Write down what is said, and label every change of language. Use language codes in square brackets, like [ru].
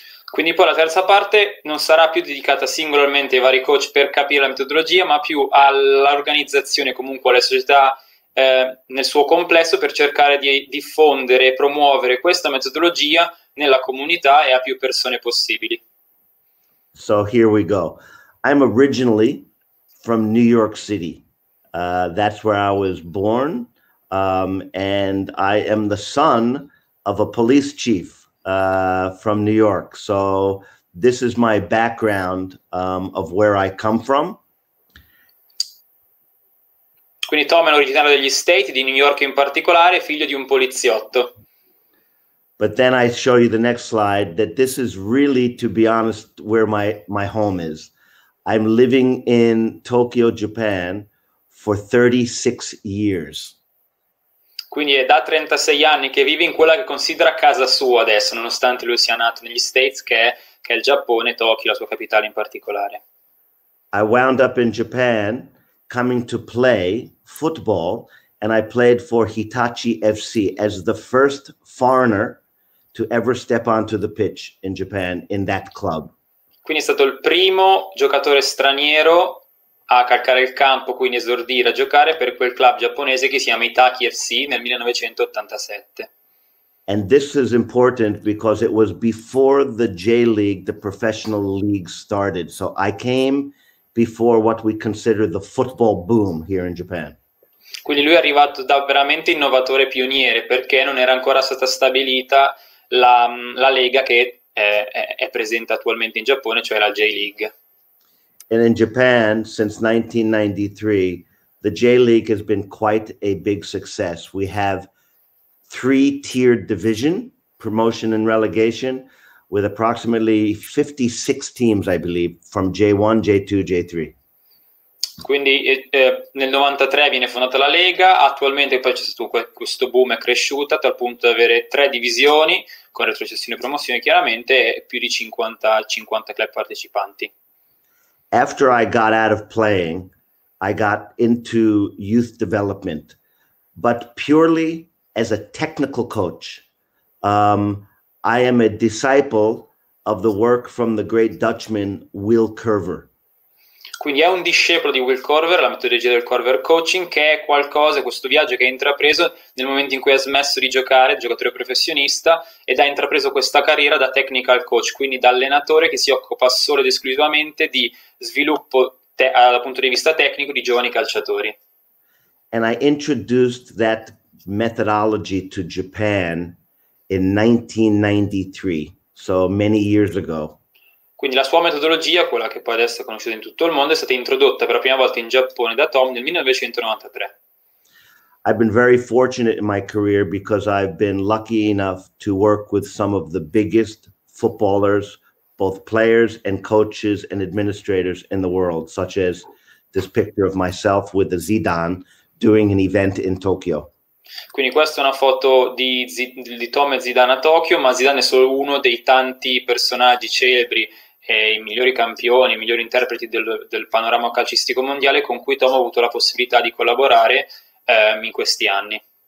[it] Quindi poi la terza parte non sarà più dedicata singolarmente ai vari coach per capire la metodologia, ma più all'organizzazione, comunque alle società nel suo complesso per cercare di diffondere e promuovere questa metodologia nella comunità e a più persone possibili. [en] So here we go. I'm originally from New York City. That's where I was born. And I am the son of a police chief from New York. So this is my background of where I come from. [it] Quindi Tom è originario degli States, di New York in particolare, figlio di un poliziotto. [en] But then I show you the next slide that this is really, to be honest, where my home is. I'm living in Tokyo, Japan for 36 years. [it] Quindi è da 36 anni che vive in quella che considera casa sua adesso, nonostante lui sia nato negli States, che è il Giappone, Tokyo, la sua capitale in particolare. [en] I wound up in Japan coming to play football, and I played for Hitachi FC as the first foreigner to ever step onto the pitch in Japan in that club. [it] Quindi è stato il primo giocatore straniero a calcare il campo, quindi esordire a giocare per quel club giapponese che si chiama Itachi FC nel 1987. [en] And this is important because it was before the J League, the professional league, started. So I came before what we consider the football boom here in Japan. [it] Quindi lui è arrivato da veramente innovatore pioniere perché non era ancora stata stabilita la lega che è presente attualmente in Giappone, cioè la J-League. [en] And in Japan, since 1993, the J League has been quite a big success. We have three-tiered division, promotion and relegation, with approximately 56 teams, I believe, from J1, J2, J3. [it] Quindi nel 93 viene fondata la Lega, attualmente poi c'è stato questo boom, è cresciuta tal punto da avere tre divisioni con retrocessione e promozione, chiaramente più di 50 club partecipanti. [en] After I got out of playing, I got into youth development, but purely as a technical coach. I am a disciple of the work from the great Dutchman Will Kerver. [it] Quindi è un discepolo di Will Kerver, la metodologia del Kerver Coaching, che è qualcosa, questo viaggio che ha intrapreso nel momento in cui ha smesso di giocare, giocatore professionista, ed ha intrapreso questa carriera da [en] technical coach, [it] quindi da allenatore che si occupa solo ed esclusivamente di sviluppo dal punto di vista tecnico di giovani calciatori. [en] And I introduced that methodology to Japan in 1993, so many years ago. [it] Quindi la sua metodologia, quella che poi adesso è conosciuta in tutto il mondo, è stata introdotta per la prima volta in Giappone da Tom nel 1993. [en] I've been very fortunate in my career because I've been lucky enough to work with some of the biggest footballers, both players and coaches and administrators in the world, such as this picture of myself with Zidane doing an event in Tokyo. [it] Quindi questa è una foto di Tom e Zidane a Tokyo, ma Zidane è solo uno dei tanti personaggi celebri e i migliori campioni, i migliori interpreti del panorama calcistico mondiale con cui Tom ha avuto la possibilità di collaborare in questi anni.